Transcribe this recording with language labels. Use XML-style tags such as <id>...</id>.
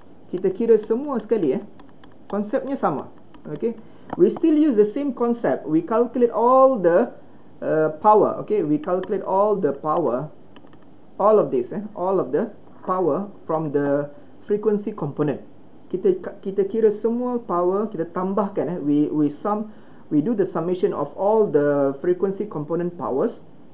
<ms>Kita kira semua sekali. Konsepnya sama.</ms> <en>Okay, we still use the same concept. We calculate all the power. Okay, we calculate all the power, all of this, all of the power from the frequency component.</en> <ms>Kita kira semua power kita tambahkan.</ms> <en>We do the summation of all the frequency component powers.</en>